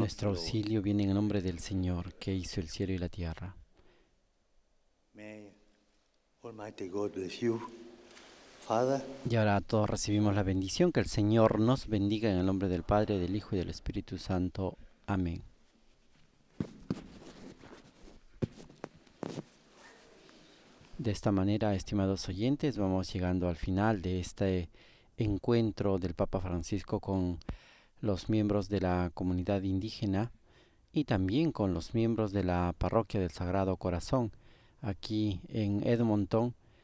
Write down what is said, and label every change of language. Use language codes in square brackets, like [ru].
[es] Nuestro auxilio viene en nombre del Señor que hizo el cielo y la tierra. [en] May Almighty God bless you, Father. [es] Y ahora todos recibimos la bendición. Que el Señor nos bendiga en el nombre del Padre, del Hijo y del Espíritu Santo. Amén. De esta manera, estimados oyentes, vamos llegando al final de este encuentro del Papa Francisco con los miembros de la comunidad indígena y también con los miembros de la parroquia del Sagrado Corazón aquí en Edmonton.